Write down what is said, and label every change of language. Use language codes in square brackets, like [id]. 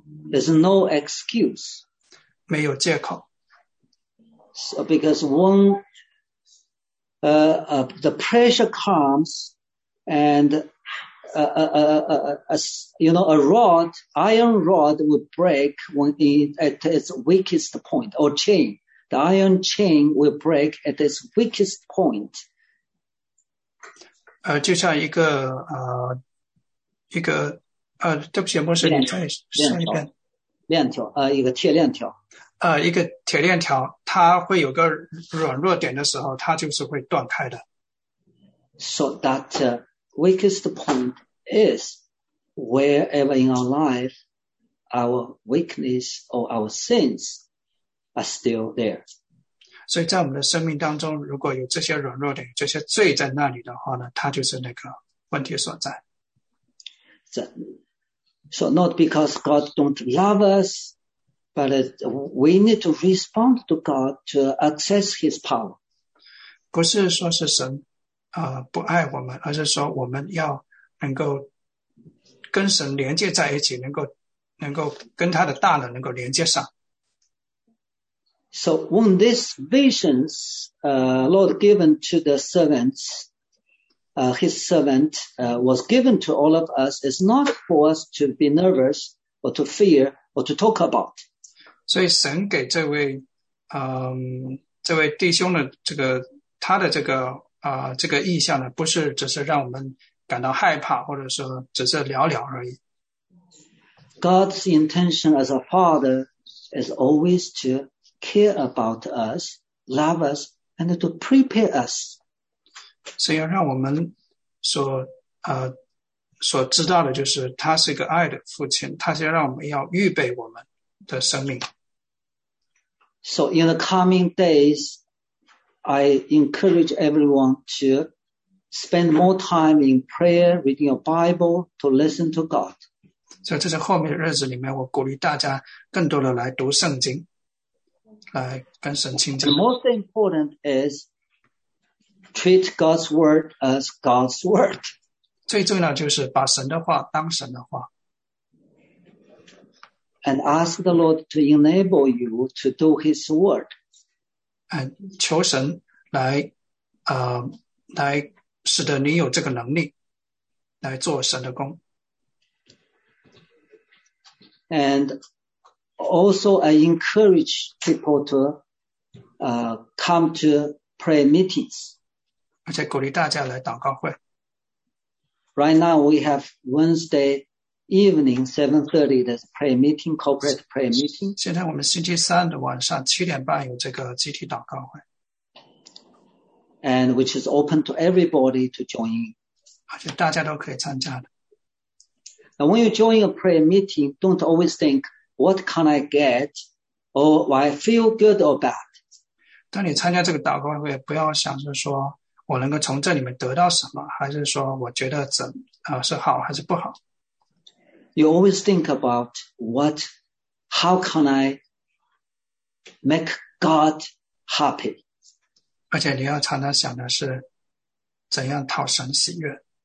[en] There's no excuse. [zh] 没有借口。 [en] So because one, the pressure comes, and you know, a rod, iron rod would break when it at its weakest point, or chain. The iron chain will break at its weakest point. [zh] 就像一个一个对不起，牧师，你再说一遍。链条，一个铁链条。一个铁链条，它会有个软弱点的时候，它就是会断开的。 [en] So that weakest point is wherever in our life our weakness or our sins are still there. [zh] 所以在我们的生命当中，如果有这些软弱点，这些罪在那里的话呢，它就是那个问题所在。 [en] So not because God don't love us, but we need to respond to God to access His power. [zh] 不是说是神不爱我们，而是说我们要能够跟神连接在一起，能够跟他的大能能够连接上。 [en] So when these visions, Lord given to the servants, his servant, was given to all of us, it's not for us to be nervous or to fear or to talk about. [zh] 所以神给这位，这位弟兄的这个，他的这个，这个意象呢，不是只是让我们感到害怕，或者说只是聊聊而已。 [en] God's intention as a father is always to care about us, love us, and to prepare us. [zh] 所以要让我们所知道的就是他是一个爱的父亲，他是要让我们要预备我们的生命。 [en] So in the coming days, I encourage everyone to spend more time in prayer, reading your Bible, to listen to God. [zh] 所以这是后面的日子里面，我鼓励大家更多的来读圣经。 [en] The most important is treat God's word as God's word. [zh] 最重要就是把神的话当神的话。 [en] And ask the Lord to enable you to do His word. [zh] 求神来来使得你有这个能力来做神的工。 [en] And also, I encourage people to come to prayer meetings. [zh] 而且鼓励大家来祷告会。 [en] Right now, we have Wednesday evening 7:30 the prayer meeting, corporate prayer meeting. [zh] 现在我们星期三的晚上7:30有这个集体祷告会。 [en] And which is open to everybody to join in. [zh] 而且大家都可以参加的。 [en] Now, when you join a prayer meeting, don't always think,What can I get? Or I feel good or bad? [zh] 当你参加这个祷告会，不要想着说我能够从这里面得到什么，还是说我觉得怎是好还是不好。 [en] You always think about what, how can I make God happy? [zh] 而且你要常常想的是怎样讨神喜悦。